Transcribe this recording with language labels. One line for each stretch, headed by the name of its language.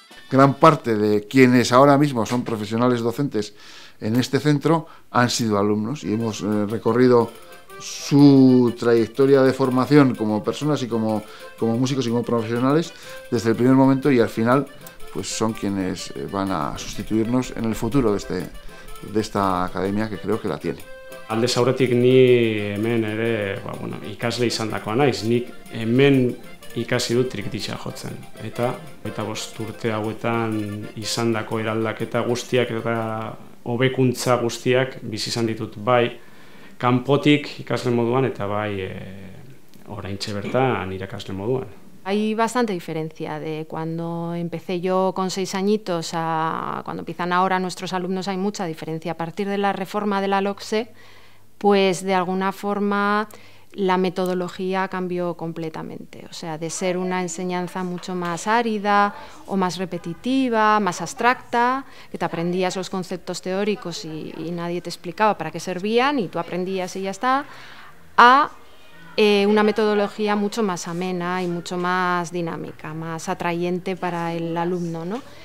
Spanish: Gran parte de quienes ahora mismo son profesionales docentes en este centro han sido alumnos y hemos recorrido su trayectoria de formación como personas y como músicos y como profesionales desde el primer momento y al final pues son quienes van a sustituirnos en el futuro de esta academia que creo que la tiene.
Basque: Aldez aurretik ni hemen ere, bueno, ikasle izandakoa naiz, nik hemen ikasi dut trikitixa jotzen. Eta bost urte hauetan izandako eraldaketa guztiak eta hobekuntza guztiak bizi izan ditut bai kanpotik ikasle moduan eta bai oraintxe bertan irakasle moduan.
Spanish: Hay bastante diferencia de cuando empecé yo con 6 añitos a cuando empiezan ahora nuestros alumnos, hay mucha diferencia. A partir de la reforma de la LOCSE, pues de alguna forma la metodología cambió completamente. O sea, de ser una enseñanza mucho más árida o más repetitiva, más abstracta, que te aprendías los conceptos teóricos y nadie te explicaba para qué servían y tú aprendías y ya está, a una metodología mucho más amena y mucho más dinámica, más atrayente para el alumno, ¿no?